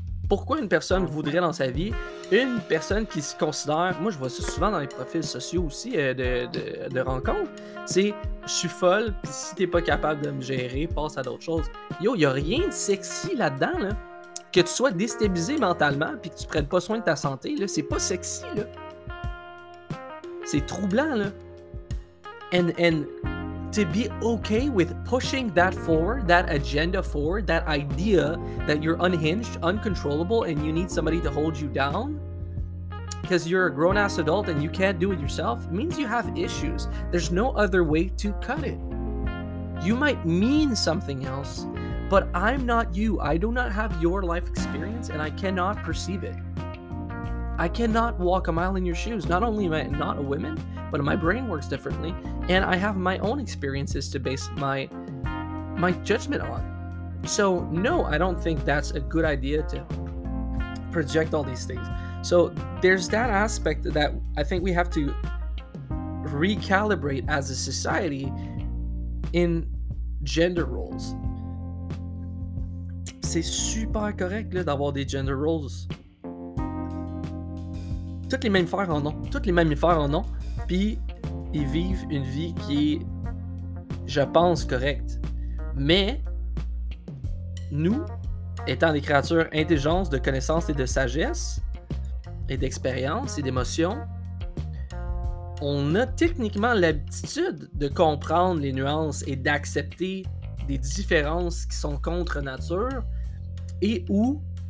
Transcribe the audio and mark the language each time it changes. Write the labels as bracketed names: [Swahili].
[French] pourquoi une personne voudrait dans sa vie une personne qui se considère, moi je vois ça souvent dans les profils sociaux aussi de rencontres, c'est je suis folle, puis si t'es pas capable de me gérer, passe à d'autres choses. Yo, y a rien de sexy là-dedans, là. Que tu sois déstabilisé mentalement puis que tu prennes pas soin de ta santé, là, c'est pas sexy, là. C'est troublant, là. [English] And to be okay with pushing that forward, that agenda forward, that idea that you're unhinged, uncontrollable, and you need somebody to hold you down because you're a grown-ass adult and you can't do it yourself means you have issues. There's no other way to cut it. You might mean something else, but I'm not you. I do not have your life experience and I cannot perceive it. I cannot walk a mile in your shoes. Not only am I not a woman, but my brain works differently. And I have my own experiences to base my judgment on. So, no, I don't think that's a good idea to project all these things. So, there's that aspect that I think we have to recalibrate as a society in gender roles. [French] C'est super correct là, d'avoir des gender roles. Toutes les mammifères en ont. Toutes les mammifères en ont. Puis, ils vivent une vie qui est, je pense, correcte. Mais, nous, étant des créatures intelligentes, de connaissances et de sagesse, et d'expérience et d'émotions, on a techniquement l'habitude de comprendre les nuances et d'accepter des différences qui sont contre nature et où...